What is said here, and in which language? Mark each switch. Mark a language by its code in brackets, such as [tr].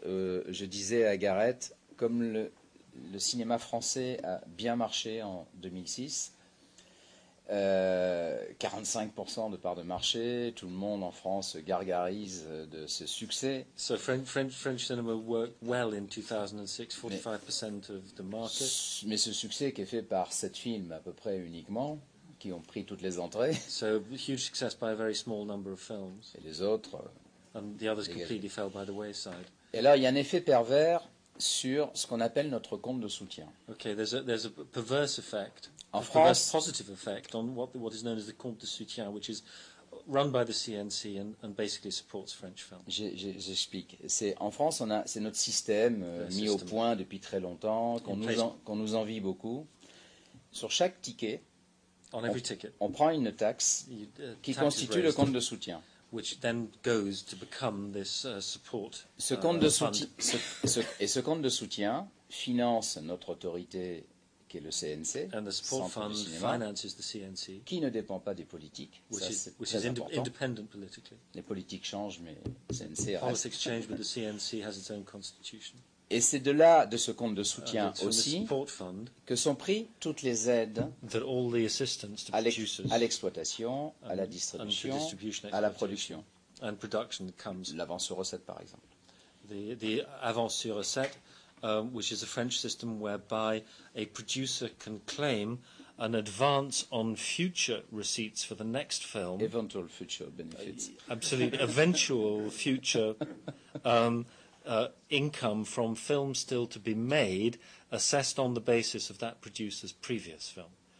[fr] Je disais à Gareth, comme le cinéma français a bien marché en 2006... 45% de part de marché, tout le monde en France gargarise de ce succès. [en] So French cinema worked well in 2006, 45% of the market. [fr] Mais ce succès qui est fait par 7 films à peu près uniquement, qui ont pris toutes les entrées. [en] So huge success by a very small number of films. [fr] Et les autres. [en] And the others completely fell by the wayside. [fr] Et là, il y a un effet pervers sur ce qu'on appelle notre compte de soutien. [en] Okay, there's a perverse effect. [fr] En France, [en] positive effect on what is known as the compte de soutien, which is run by the CNC and basically supports French films. [fr] J'explique. C'est notre système mis au point depuis très longtemps, qu'on nous envie beaucoup. Sur chaque ticket, on prend une taxe qui constitue le compte de soutien. [en] Which then goes to become this support. [fr] Ce compte de soutien finance notre autorité. Qui est le CNC, [en] and the support fund finances the CNC, [fr] qui ne dépend pas des politiques, [en] independent politically. [fr] Les politiques changent, mais CNC reste. [en] Change, but the CNC has its own constitution. [fr] Et c'est de là, de ce compte de soutien aussi, [en] fund, [fr] que sont prises toutes les aides à l'exploitation, à la distribution, à la production. [en] And production comes [fr] l'avance sur recette, par exemple. [en] The avance sur recette, which is a French system whereby a producer can claim an advance on future receipts for the next film. Eventual future benefits. Absolutely. Eventual future income from films still to be made, assessed on the basis of that producer's previous film.